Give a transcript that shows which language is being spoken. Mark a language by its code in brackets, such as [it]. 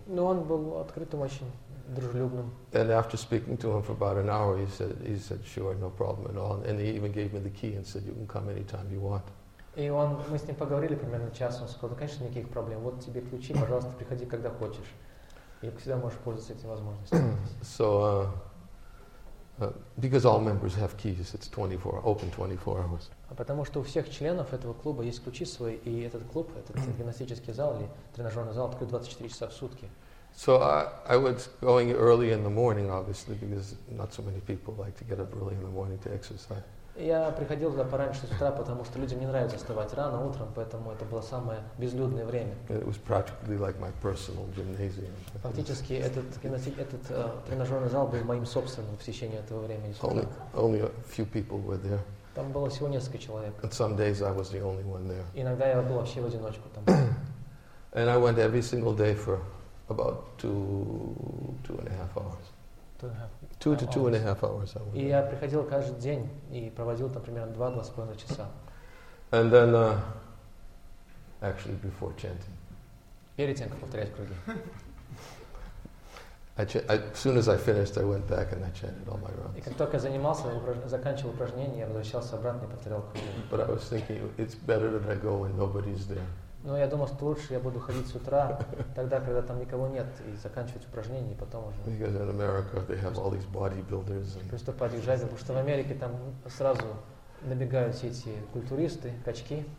[ru] Но он был открытым, очень дружелюбным. [en] And after speaking to him for about an hour, he said, sure, no problem at all. And he even gave me the key and said, you can come anytime you want. [ru] И он, мы с ним поговорили примерно час, он сказал, да, конечно, никаких проблем, вот тебе ключи, пожалуйста, приходи, когда хочешь. И всегда можешь пользоваться этими возможностями. [en] So, because all members have keys, it's 24, open 24 hours. [ru] Потому что у всех членов этого клуба есть ключи свои, и этот клуб, этот гимнастический зал или тренажерный зал, открыт 24 часа в сутки. [en] So I was going early in the morning, obviously, because not so many people like to get up early in the morning to exercise. [ru] Я приходил туда пораньше с утра, потому что людям не нравится вставать рано утром, поэтому это было самое безлюдное время. [en] It was practically like my personal gymnasium. [ru] Фактически этот тренажерный зал был моим собственным в течение этого времени. [en] Only a few people were there. [ru] Там было всего несколько человек. [en] And some days I was the only one there. [ru] Иногда я был вообще в одиночку там. [en] And I went every single day for about two and a half hours. Two to two and a half hours. [ru] И я приходил каждый день и проводил там примерно 2-2.5 часа. [en] And then, actually, before chanting. [ru] Перед тем, как повторять круги. [en] As soon as I finished, I went back and I chanted all my rounds. [ru] И как только занимался, заканчивал упражнение, я возвращался обратно и повторял круги. [en] But I was thinking, it's better that I go when nobody's there. [ru] Но я думал, что лучше я буду ходить с утра, тогда, когда там никого нет, и заканчивать упражнения, и потом уже. [en] Because in America they have all these bodybuilders. [ru] Просто подъезжать, потому что в Америке там сразу набегают все эти культуристы, качки.